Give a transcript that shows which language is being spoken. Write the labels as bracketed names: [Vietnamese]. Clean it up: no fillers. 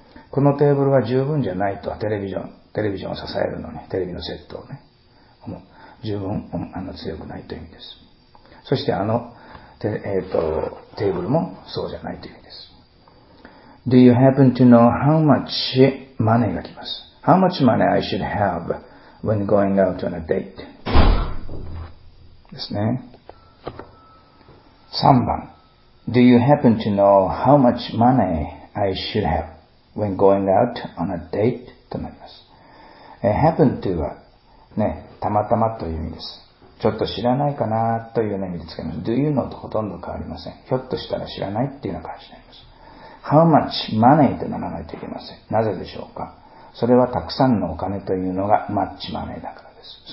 [Japanese] このテーブルは十分じゃないと、テレビジョンを支えるのに、テレビのセットをね、十分強くないという意味です。そしてテーブルもそうじゃないという意味です。 [English] Do you happen to know how much money [Japanese] が来ます。 [English] How much money I should have when going out on a date [Japanese] ですね。3番。 [English] Do you happen to know how much money I should have when going out on a date? [Japanese] となります。 [English] Happen to [Japanese] は、ね、たまたまという意味です。ちょっと知らないかなという意味で使います。 [English] Do you know [Japanese] とほとんど変わりません。ひょっとしたら知らないというような感じになります。 [English] How much money [Japanese] とならないといけません。なぜでしょうか。それはたくさんのお金というのがマッチマネーだからです。